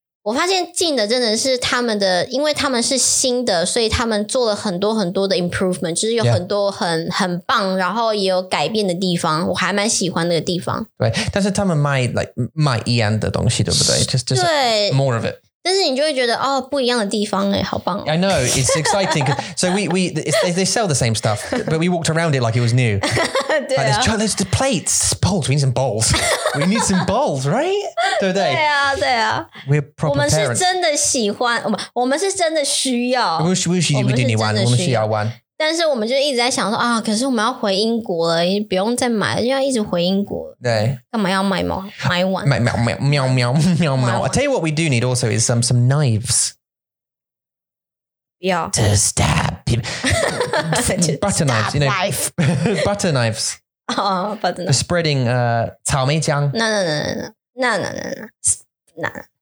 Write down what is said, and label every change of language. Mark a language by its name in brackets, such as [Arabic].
[Chinese] 我发现近的真的是他们的, 因为他们是新的, 所以他们做了很多很多的 improvement, 就是有很多很棒, 然后也有改变的地方, 我还蛮喜欢那个地方。 right. 但是他们卖, like, 卖一样的东西, 对不对? [English] Just more of it. [Chinese] 但是你就会觉得, 哦, 不一样的地方耶, 好棒哦。 [English] I know, it's exciting. So they sell the same stuff, but we walked around it like it was new. [Chinese] 对啊。 [English] Like there's the plates, bowls, we need some bowls. We need some bowls, right? [Chinese] 对不对? 对啊。 [English] We're proper [Chinese] 我们是真的喜欢, 我们是真的需要, [English] we do need one, [Chinese] 我们需要 [English] one. [Chinese] 但是我们就一直在想说, 啊, 可是我们要回英国了, 不用再买, 因为要一直回英国了。对。干嘛要买吗?买碗。喵喵喵喵喵喵喵。 [English] I'll tell you what we do need also is some knives. Yeah. To stab people. Butter knives. You know, butter knives. Oh, butter knives. For spreading 草莓酱. No.